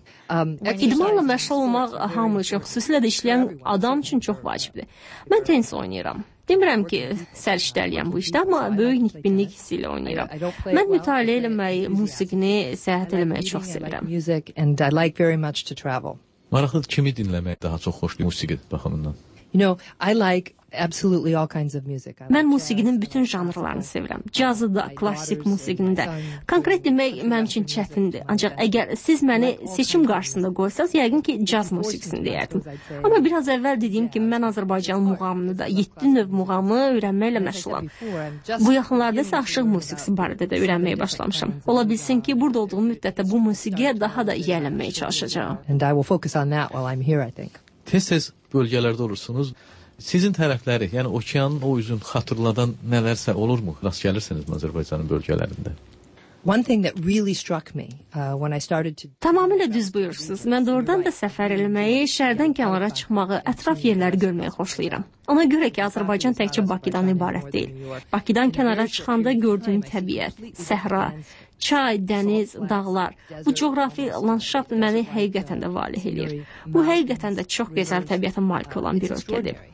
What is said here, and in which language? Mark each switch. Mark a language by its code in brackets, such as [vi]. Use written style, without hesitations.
[az] İdmanla məşğul olmaq hamı üçün, xüsusilə də işləyən adam üçün çox vacibdir. Mən tenis oynayıram. Demirəm ki, səriştəliyəm bu işdə, amma böyük nikbinlik hissi ilə oynayıram. Mən mütəalə eləməyi, musiqini, səhət eləməyi çox sevirəm. Maraqlıdır, kimi dinləmək daha çox xoşdur musiqi baxımından? [en] You know, I like absolutely all kinds of music. [az] Mən musiqinin bütün janrlarını sevirəm. Cazı da, klassik musiqini də. Konkret demək mənim üçün çətindir. Ancaq əgər siz məni seçim qarşısında qoysanız, yəqin ki, caz musiqisini deyərdim. Amma biraz əvvəl dediyim kimi, mən Azərbaycan muğamını da, 7 növ muğamı öyrənməklə məşğulam. Bu yaxınlarda isə aşıq musiqisi barədə də öyrənməyə başlamışam. Ola bilsin ki, burada olduğum müddətdə bu musiqiyə daha da yiyələnməyə çalışacağım. [en] And I will focus on that while I'm here, I think. [az] Tez-tez bölgələrdə olursunuz. Sizin tərəfləri, yəni okeanın o üzün xatırladan nələrsə olurmu? Rast gəlirsiniz Azərbaycanın bölgələrində? [en] One thing that really struck me when I started to [az] Tamamilə düz buyursunuz. Mən doğrudan da səfər eləməyi, şəhərdən kənara çıxmağı, ətraf yerləri görməyi xoşlayıram. Ona görə ki, Azərbaycan təkcə Bakıdan ibarət deyil. Bakıdan kənara çıxanda gördüyüm təbiət, səhra, çay, dəniz, dağlar. Bu coğrafi landşaft məni həqiqətən də valeh eləyir. Bu həqiqətən də çox gözəl təbiətə malik olan bir ölkədir.